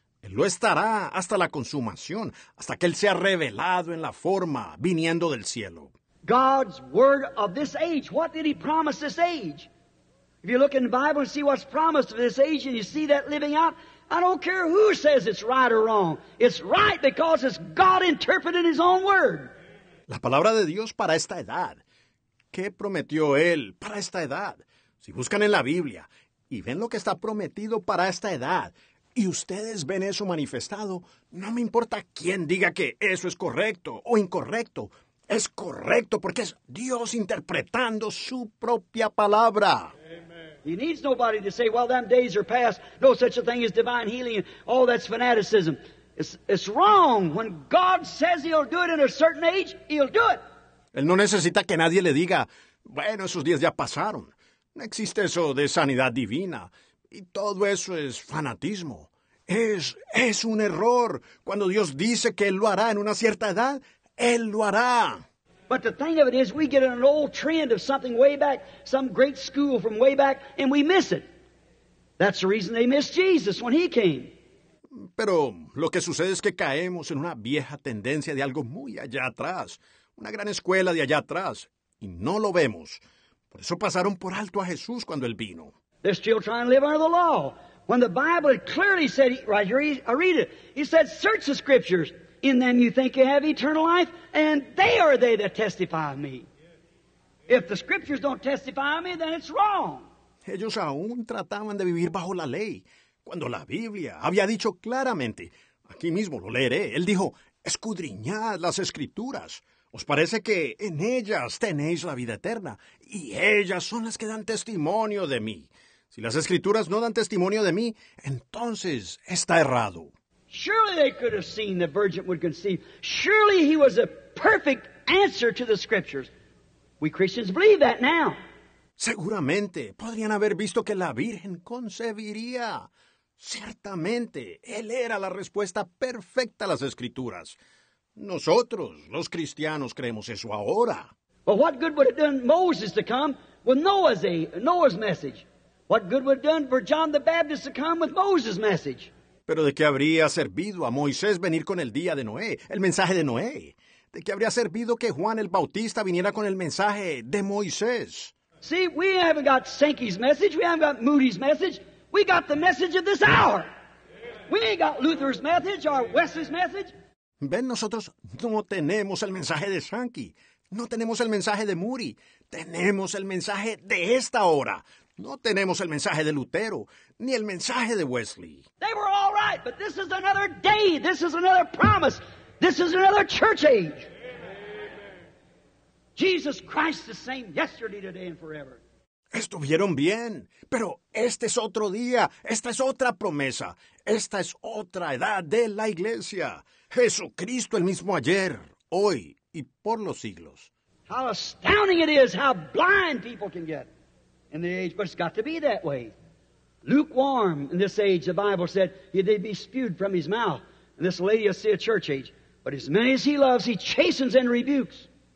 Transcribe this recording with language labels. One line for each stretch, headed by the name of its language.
Spanish: Él lo estará hasta la consumación, hasta que Él sea revelado en la forma viniendo del cielo.
English: God's word of this age. What did He promise this age? If you look in the Bible and see what's promised of this age and you see that living out, I don't care who says it's right or wrong. It's right because it's God interpreting His own word.
Spanish: La palabra de Dios para esta edad. ¿Qué prometió Él para esta edad? Si buscan en la Biblia y ven lo que está prometido para esta edad y ustedes ven eso manifestado, no me importa quién diga que eso es correcto o incorrecto. Es correcto porque es Dios interpretando su propia palabra.
English: He needs nobody to say, well, them days are past. No such a thing as divine healing. Oh, that's fanaticism. It's wrong. When God says He'll do it in a certain age, He'll do it.
Spanish: Él no necesita que nadie le diga, bueno, esos días ya pasaron. No existe eso de sanidad divina. Y todo eso es fanatismo. Es un error. Cuando Dios dice que Él lo hará en una cierta edad, Él lo hará.
English: But the thing of it is, we get an old trend of something way back, some great school from way back, and we miss it. That's the reason they missed Jesus when He came.
Spanish: Pero lo que sucede es que caemos en una vieja tendencia de algo muy allá atrás, una gran escuela de allá atrás, y no lo vemos. Por eso pasaron por alto a Jesús cuando Él vino.
English: They're still trying to live under the law. When the Bible clearly said, right here, I read it. He said, search the Scriptures. In them you think you have eternal life, and they are they that testify of me. If the Scriptures don't testify of me, then it's wrong.
Spanish: Ellos aún trataban de vivir bajo la ley, cuando la Biblia había dicho claramente, aquí mismo lo leeré, Él dijo, escudriñad las Escrituras. Os parece que en ellas tenéis la vida eterna, y ellas son las que dan testimonio de mí. Si las Escrituras no dan testimonio de mí, entonces está errado.
English: Surely they could have seen the virgin would conceive. Surely he was a perfect answer to the Scriptures. We Christians believe that now.
Spanish: Seguramente podrían haber visto que la Virgen concebiría. Ciertamente, Él era la respuesta perfecta a las Escrituras. Nosotros, los cristianos, creemos eso ahora.
English: But what good would have done Moses to come with Noah's message? What good would have done for John the Baptist to come with Moses' message?
Spanish: Pero ¿de qué habría servido a Moisés venir con el día de Noé, el mensaje de Noé? ¿De qué habría servido que Juan el Bautista viniera con el mensaje de Moisés?
English: See, we haven't got Sankey's message, we haven't got Moody's message. We got the message of this hour. We ain't got Luther's message or Wesley's message.
Spanish: Ven, nosotros no tenemos el mensaje de Sankey. No tenemos el mensaje de Moody. Tenemos el mensaje de esta hora. No tenemos el mensaje de Lutero, ni el mensaje de Wesley.
English: They were all right, but this is another day. This is another promise. This is another church age. Jesus Christ the same yesterday, today, and forever.
Spanish: Estuvieron bien, pero este es otro día, esta es otra promesa, esta es otra edad de la iglesia. Jesucristo el mismo ayer, hoy y por los siglos.
English: How astounding it is how blind people can get in the age, but it's got to be that way. Lukewarm in this age, the Bible said, they'd be spewed from his mouth. And this lady will see a church age, but as many as he loves, he chastens and rebukes.